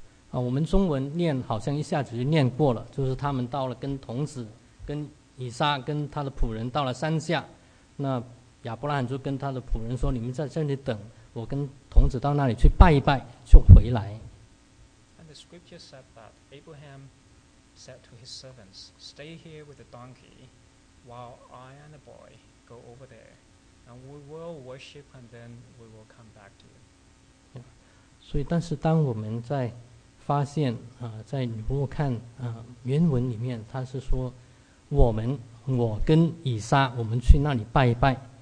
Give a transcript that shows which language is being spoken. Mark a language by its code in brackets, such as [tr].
[zh] 我们中文念好像一下子就念过了，就是他们到了跟童子、跟以撒、跟他的仆人到了山下，那亚伯拉罕就跟他的仆人说：“你们在这里等，我跟童子到那里去拜一拜，就回来。” [en] And the scripture said that Abraham said to his servants, "Stay here with the donkey, while I and the boy go over there, and we will worship, and then we will come back to you." [zh] 所以，但是当我们在发现在如果看原文里面，他是说我跟以撒，我们去那里拜一拜。